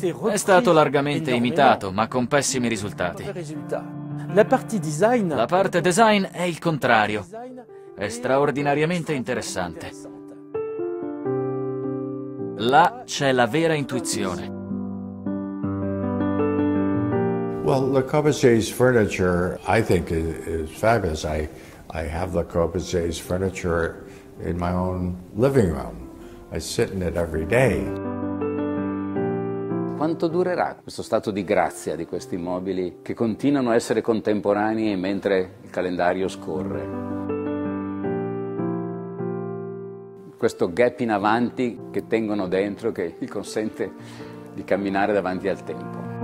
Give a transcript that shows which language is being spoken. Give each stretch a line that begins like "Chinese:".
Italian: È stato largamente imitato, ma con pessimi risultati. La parte design è il contrario. È straordinariamente interessante. Là c'è la vera intuizione.
English: Well, Le Corbusier's furniture, I think, is fabulous. I have Le Corbusier's furniture in my own living room. I sit in it every day.
Italian: Quanto durerà questo stato di grazia di questi mobili che continuano a essere contemporanei mentre il calendario scorre? Questo gap in avanti che tengono dentro, che gli consente di camminare davanti al tempo.